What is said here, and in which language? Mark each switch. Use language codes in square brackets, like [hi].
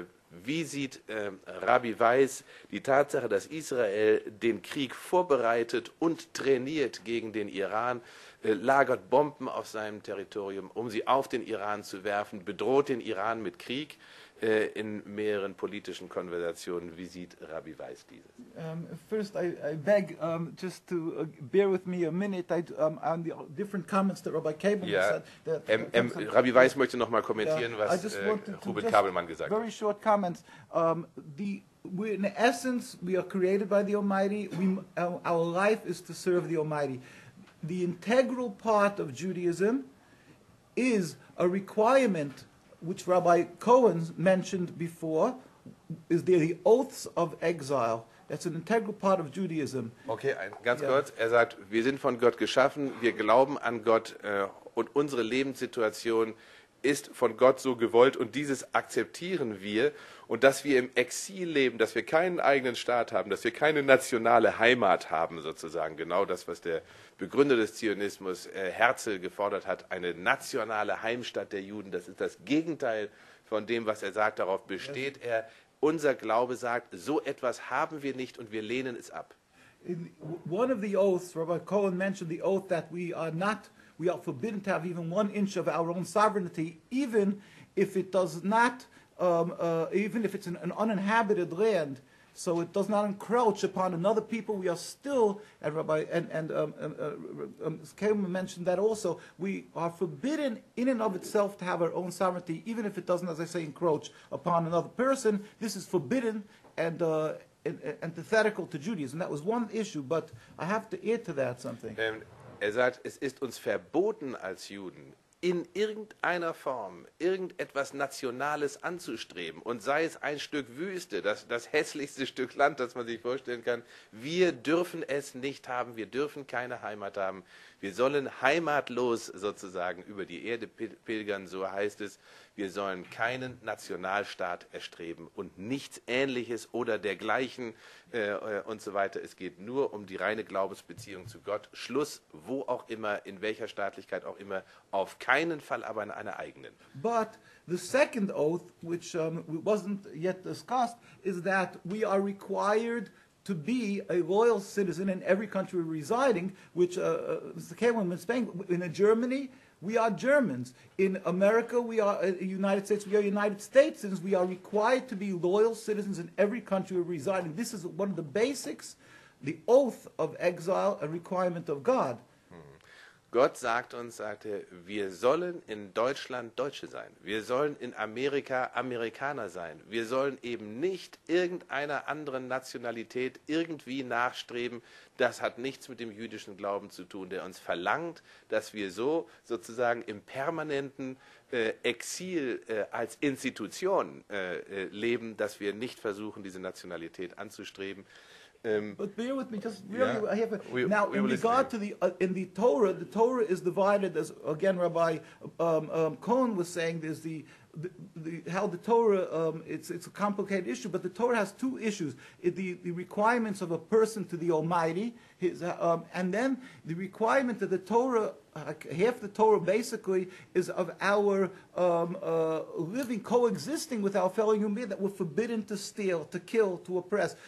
[de] Wie sieht Rabbi Weiss die Tatsache, dass Israel den Krieg vorbereitet und trainiert gegen den Iran, lagert Bomben auf seinem Territorium, um sie auf den Iran zu werfen, bedroht den Iran mit Krieg? In mehreren politischen Konversationen, wie sieht Rabbi Weiss dieses? [en] First, I beg just to bear with me a minute on the different comments that Rabbi Kabelman said. [de] Rabbi Weiss möchte noch mal kommentieren, was Ruben Kabelman gesagt hat. [en] Very short comments. In essence, we are created by the Almighty. Our life is to serve the Almighty. The integral part of Judaism is a requirement, which Rabbi Cohen mentioned before, is the oaths of exile. That's an integral part of Judaism. [de] Okay, ganz kurz. Er sagt, wir sind von Gott geschaffen, wir glauben an Gott und unsere Lebenssituation ist von Gott so gewollt und dieses akzeptieren wir. Und dass wir im Exil leben, dass wir keinen eigenen Staat haben, dass wir keine nationale Heimat haben, sozusagen. Genau das, was der Begründer des Zionismus, Herzl, gefordert hat. Eine nationale Heimstatt der Juden. Das ist das Gegenteil von dem, was er sagt. Darauf besteht er. Unser Glaube sagt, so etwas haben wir nicht und wir lehnen es ab. [en] In one of the oaths, Robert Cohen mentioned the oath that we are forbidden to have even one inch of our own sovereignty, even if it does not... even if it's an uninhabited land, so it does not encroach upon another people, we are still, Kamen mentioned that also, we are forbidden in and of itself to have our own sovereignty, even if it doesn't, as I say, encroach upon another person. This is forbidden and antithetical to Judaism. That was one issue, but I have to add to that something. [de] Er sagt, es ist uns verboten als Juden, in irgendeiner Form irgendetwas Nationales anzustreben und sei es ein Stück Wüste, das hässlichste Stück Land, das man sich vorstellen kann. Wir dürfen es nicht haben, wir dürfen keine Heimat haben. Wir sollen heimatlos sozusagen über die Erde pilgern, so heißt es. Wir sollen keinen Nationalstaat erstreben und nichts Ähnliches oder dergleichen und so weiter. Es geht nur um die reine Glaubensbeziehung zu Gott. Schluss, wo auch immer, in welcher Staatlichkeit auch immer, auf keinen Fall aber in einer eigenen. [en] But the second oath, which wasn't yet discussed, is that we are required to be a loyal citizen in every country we're residing, which Mr. Kamen was saying, in Germany, we are Germans. In America, we are United States. We are United States citizens. We are required to be loyal citizens in every country we reside in. This is one of the basics, the oath of exile, a requirement of God. [de] Gott sagt uns, sagt er, wir sollen in Deutschland Deutsche sein. Wir sollen in Amerika Amerikaner sein. Wir sollen eben nicht irgendeiner anderen Nationalität irgendwie nachstreben. Das hat nichts mit dem jüdischen Glauben zu tun, der uns verlangt, dass wir so sozusagen im permanenten Exil als Institution leben, dass wir nicht versuchen, diese Nationalität anzustreben. [en] But bear with me, just really, yeah, I have a, now in regard to in the Torah is divided, as again Rabbi Cohen was saying, there's how the Torah, it's a complicated issue, but the Torah has two issues, the requirements of a person to the Almighty, and then the requirement of the Torah, half the Torah basically, is of our living, coexisting with our fellow human being, that we're forbidden to steal, to kill, to oppress.